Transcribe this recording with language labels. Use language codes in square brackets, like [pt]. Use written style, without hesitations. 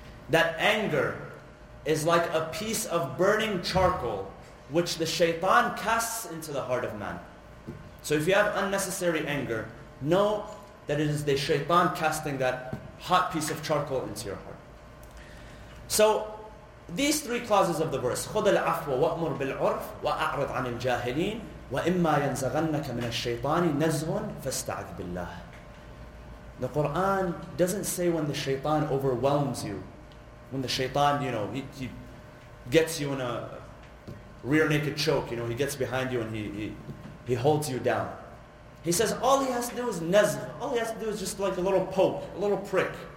[en] That anger is like a piece of burning charcoal which the shaytan casts into the heart of man. So if you have unnecessary anger, know that it is the shaytan casting that hot piece of charcoal into your heart. So these three clauses of the verse, [ar] خُدْ الْعَفْوَ وَأْمُرْ بِالْعُرْفِ وَأَعْرِضْ عَنِ الْجَاهِلِينَ وَإِمَّا يَنْزَغَنَّكَ مِنَ الشَّيْطَانِ نَزْغٌ فَاسْتَعِذْ بِاللَّهِ. [en] The Quran doesn't say when the shaytan overwhelms you, when the shaytan, you know, he gets you in a rear naked choke, you know, he gets behind you and he holds you down. He says all he has to do is nazgh, all he has to do is just like a little poke, a little prick.